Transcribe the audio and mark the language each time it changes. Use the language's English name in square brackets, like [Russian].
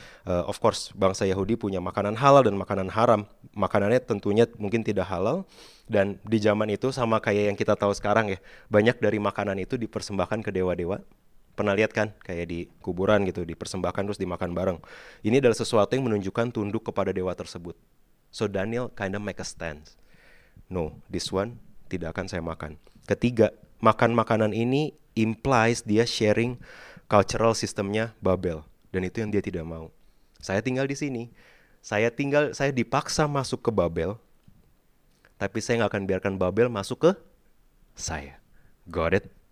[English] Of course, [Indonesian] bangsa Yahudi punya makanan halal dan makanan haram. Makanannya tentunya mungkin tidak halal. Dan di zaman itu sama kayak yang kita tahu sekarang ya, banyak dari makanan itu dipersembahkan ke dewa-dewa. Pernah lihat kan? Kayak di kuburan gitu, dipersembahkan terus dimakan bareng. Ini adalah sesuatu yang menunjukkan tunduk kepada dewa tersebut. [English] So Daniel kind of make a stance. No, this one [Indonesian] tidak akan saya makan. Ketiga, makan makanan ini implies dia [English] sharing cultural [Indonesian] sistemnya Babel. Dan itu yang dia tidak mau. Saya tinggal di sini, saya dipaksa masuk ke Babel, tapi saya gak akan biarkan Babel masuk ke saya. [English] Got it?